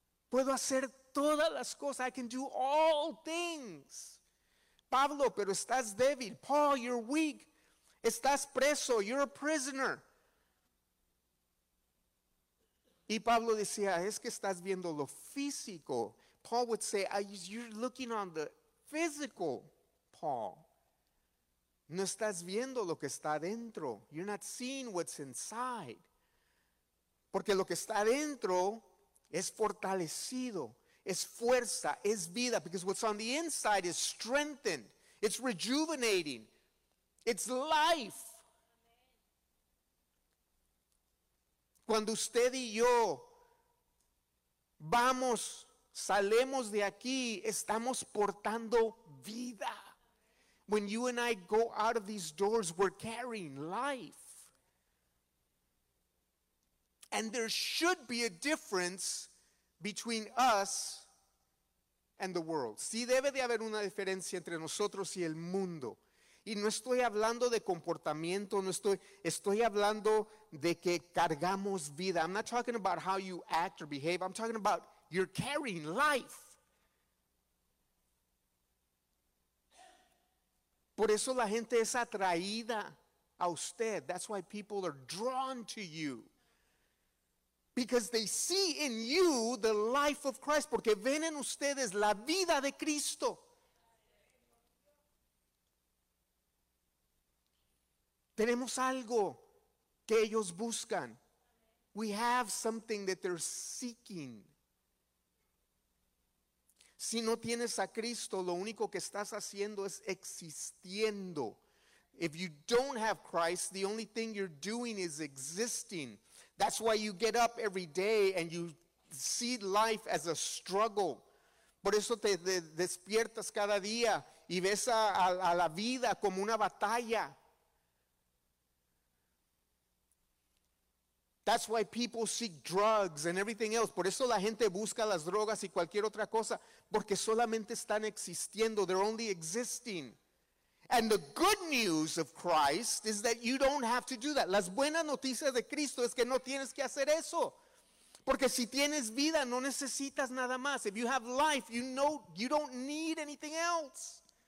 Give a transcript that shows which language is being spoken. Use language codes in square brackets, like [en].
[es] Puedo hacer todas las cosas, [en] I can do all things. [es] Pablo, pero estás débil. [en] Paul, you're weak. [es] Estás preso, [en] you're a prisoner. [es] Y Pablo decía, es que estás viendo lo físico. [en] Paul would say, you're looking on the physical, Paul. [es] No estás viendo lo que está adentro. [en] You're not seeing what's inside. [es] Porque lo que está adentro es fortalecido, es fuerza, es vida. [en] Because what's on the inside is strengthened. It's rejuvenating. It's life. [es] Cuando usted y yo vamos, salemos de aquí, estamos portando vida. [en] When you and I go out of these doors, we're carrying life. And there should be a difference between us and the world. [es] Sí debe de haber una diferencia entre nosotros y el mundo. Y no estoy hablando de comportamiento, no estoy, estoy hablando de que cargamos vida. [en] I'm not talking about how you act or behave. I'm talking about you're carrying life. [es] Por eso la gente es atraída a usted. [en] That's why people are drawn to you. Because they see in you the life of Christ. [es] Porque ven en ustedes la vida de Cristo. Tenemos algo que ellos buscan. [en] We have something that they're seeking. [es] Si no tienes a Cristo, lo único que estás haciendo es existiendo. [en] If you don't have Christ, the only thing you're doing is existing. That's why you get up every day and you see life as a struggle. [es] Por eso te despiertas cada día y ves a la vida como una batalla. [en] That's why people seek drugs and everything else. [es] Por eso la gente busca las drogas y cualquier otra cosa. Porque solamente están existiendo. [en] They're only existing. And the good news of Christ is that you don't have to do that. [es] Las buenas noticias de Cristo es que no tienes que hacer eso. Porque si tienes vida, no necesitas nada más. [en] If you have life, you know you don't need anything else.